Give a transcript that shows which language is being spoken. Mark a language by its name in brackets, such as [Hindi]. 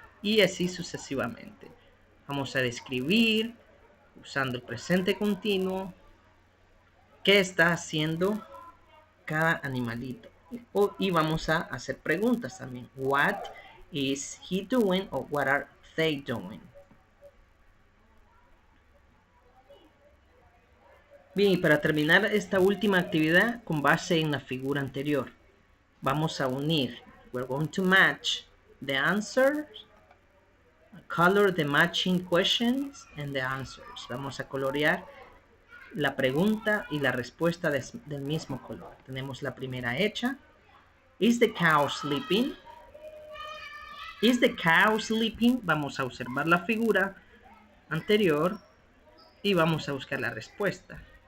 [Spanish] Y así sucesivamente. Vamos a describir usando el presente continuo. ¿Qué está haciendo cada animalito? Y vamos a hacer preguntas también. [English] What is he doing or what are they doing? [Spanish] Bien, y para terminar esta última actividad con base en la figura anterior, vamos a unir. [English] We're going to match the answers, color the matching questions and the answers. [Spanish] Vamos a colorear la pregunta y la respuesta del mismo color. Tenemos la primera hecha. [English] Is the cow sleeping? Is the cow sleeping? [Spanish] Vamos a observar la figura anterior y vamos a buscar la respuesta.